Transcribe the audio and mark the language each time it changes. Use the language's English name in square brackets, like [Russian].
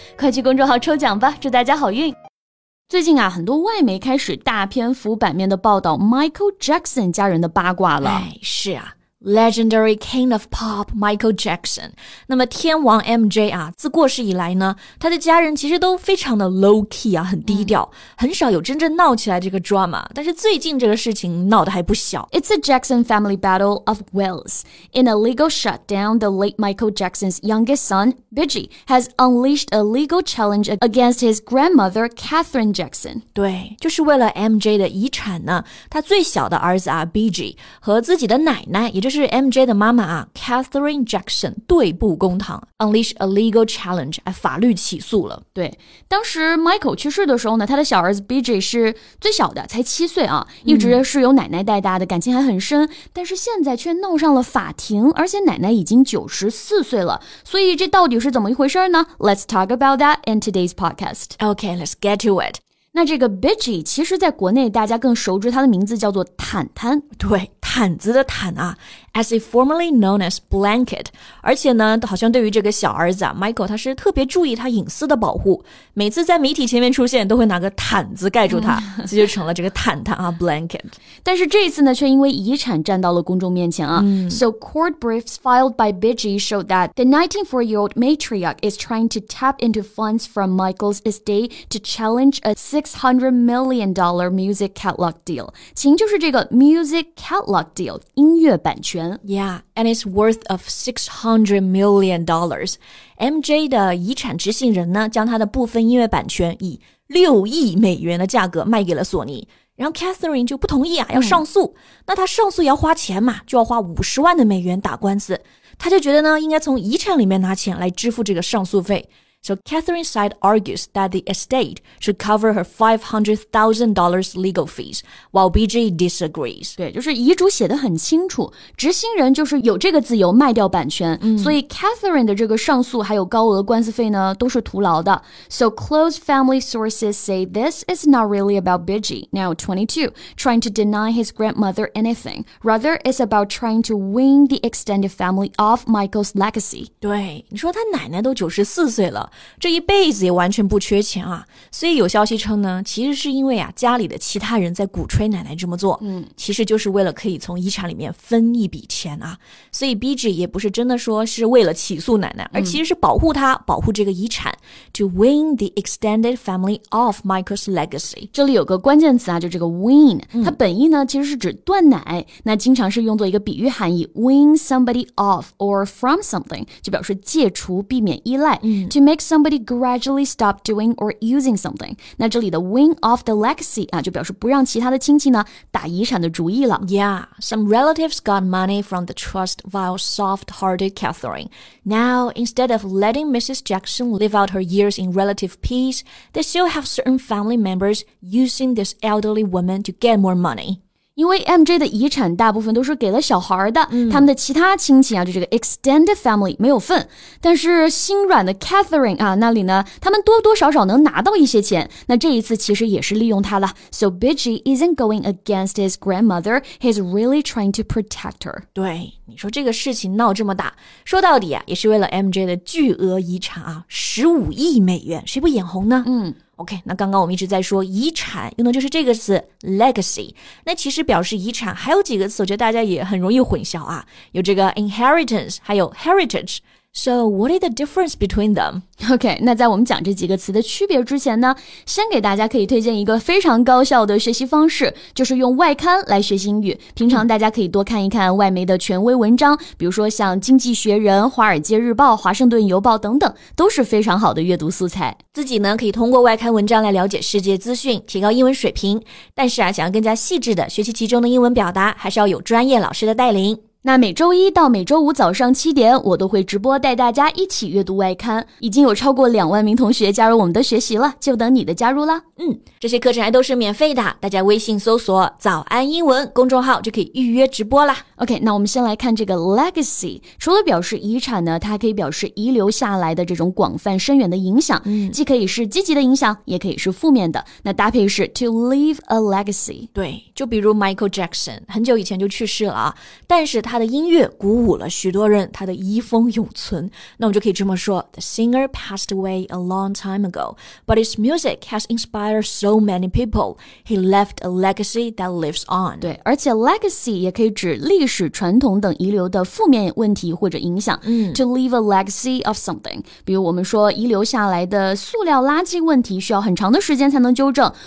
[Chinese] 快去公众号抽奖吧，祝大家好运。最近啊，很多外媒开始大篇幅版面的报道 Michael Jackson 家人的八卦了。哎，是啊， [English] Legendary King of Pop [Chinese] Michael Jackson， 那么天王 MJ 啊，自过世以来呢，他的家人其实都非常的 low key 啊，很低调，很少有真正闹起来这个 drama。但是最近这个事情闹得还不小。 [English] It's a Jackson family battle of wills. In a legal shutdown, the late Michael Jackson's youngest son, Biggie, has unleashed a legal challenge against his grandmother, Catherine Jackson. [Chinese] 对，就是为了 MJ 的遗产呢，他最小的儿子啊 ，Biggie 和自己的奶奶。也就是 MJ 的妈妈啊 Catherine Jackson 对簿公堂 [English] Unleash a legal challenge [Chinese] 法律起诉了。对，当时 Michael 去世的时候呢，他的小儿子 BJ 是最小的，才七岁啊，一直是由奶奶带大的，感情还很深，但是现在却闹上了法庭，而且奶奶已经94岁了，所以这到底是怎么一回事呢？ [English] Let's talk about that in today's podcast. Okay, let's get to it. [Chinese] 那这个 BJ 其实在国内大家更熟知他的名字叫做坦坦。对，毯子的毯啊 ， [English] as it formerly known as blanket， [Chinese] 而且呢，好像对于这个小儿子啊 ，Michael 他是特别注意他隐私的保护，每次在媒体前面出现，都会拿个毯子盖住他，这就成了这个毯毯啊 ，blanket。但是这一次呢，却因为遗产站到了公众面前啊。 [English] So court briefs filed by Biggie showed that the 94-year-old matriarch is trying to tap into funds from Michael's estate to challenge a $600 million music catalog deal。 [Chinese] 起因就是这个 music catalog。Lock deal, 音乐版权 [English] Yeah, and it's worth of $600 million. [Chinese] MJ 的遗产执行人呢，将他的部分音乐版权以$6亿的价格卖给了索尼。然后 Catherine 就不同意啊，要上诉。那他上诉也要花钱嘛，就要花$500,000打官司。他就觉得呢，应该从遗产里面拿钱来支付这个上诉费。 [English] So Catherine's side argues that the estate should cover her $500,000 legal fees, while BJ disagrees. [Chinese] 对，就是遗嘱写得很清楚，执行人就是有这个自由卖掉版权，所以 Catherine 的这个上诉还有高额官司费呢，都是徒劳的。 [English] So close family sources say this is not really about BJ, now 22, trying to deny his grandmother anything. Rather, it's about trying to wean the extended family off Michael's legacy. [Chinese] 对，你说他奶奶都94岁了。这一辈子也完全不缺钱啊，所以有消息称呢，其实是因为啊，家里的其他人在鼓吹奶奶这么做，其实就是为了可以从遗产里面分一笔钱啊，所以 BJ 也不是真的说是为了起诉奶奶，而其实是保护他，保护这个遗产 [English] to wean the extended family of Michael's legacy。 [Chinese] 这里有个关键词啊，就这个 wean， 它本意呢其实是指断奶，那经常是用作一个比喻含义 [English] wean somebody off or from something， [Chinese] 就表示戒除，避免依赖， [English] to make somebody gradually stop doing or using something. [Chinese] 那这里的 [English] wing off the legacy [Chinese] 啊，就表示不让其他的亲戚呢打遗产的主意了。 [English] Yeah, some relatives got money from the trust via soft-hearted Catherine. Now, instead of letting Mrs. Jackson live out her years in relative peace, they still have certain family members using this elderly woman to get more money. [Chinese] 因为 MJ 的遗产大部分都是给了小孩的，他们的其他亲戚啊，就这个 extended family 没有份，但是心软的 Catherine 啊，那里呢，他们多多少少能拿到一些钱，那这一次其实也是利用他了。 [English] So Biggie isn't going against his grandmother, he's really trying to protect her. [Chinese] 对，你说这个事情闹这么大，说到底啊，也是为了 MJ 的巨额遗产啊，$15亿，谁不眼红呢？ OK, 那刚刚我们一直在说遗产，用的就是这个词 legacy。那其实表示遗产还有几个词，我觉得大家也很容易混淆啊。有这个 inheritance, 还有 heritage。 [English] So, what is the difference between them? [Chinese] OK, 那在我们讲这几个词的区别之前呢，先给大家可以推荐一个非常高效的学习方式，就是用外刊来学习英语。平常大家可以多看一看外媒的权威文章，比如说像经济学人、华尔街日报、华盛顿邮报等等，都是非常好的阅读素材。自己呢，可以通过外刊文章来了解世界资讯，提高英文水平。但是啊，想要更加细致的学习其中的英文表达，还是要有专业老师的带领。那每周一到每周五早上七点，我都会直播带大家一起阅读外刊，已经有超过20000名同学加入我们的学习了，就等你的加入了。嗯，这些课程还都是免费的，大家微信搜索早安英文公众号就可以预约直播了。 OK， 那我们先来看这个 legacy， 除了表示遗产呢，它还可以表示遗留下来的这种广泛深远的影响，既可以是积极的影响，也可以是负面的，那搭配是 [English] to leave a legacy。 [Chinese] 对，就比如 Michael Jackson 很久以前就去世了，但是他的音乐鼓舞了许多人，他的遗风永存。 [English] 那我们就可以这么说， The singer passed away a long time ago, but his music has inspired so many people. He left a legacy that lives on. [Chinese] 对，而且 legacy 也可以指历史传统等遗留的负面问题或者影响。 [English] To leave a legacy of something. [Chinese] 比如我们说遗留下来的塑料垃圾问题需要很长的时间才能纠正。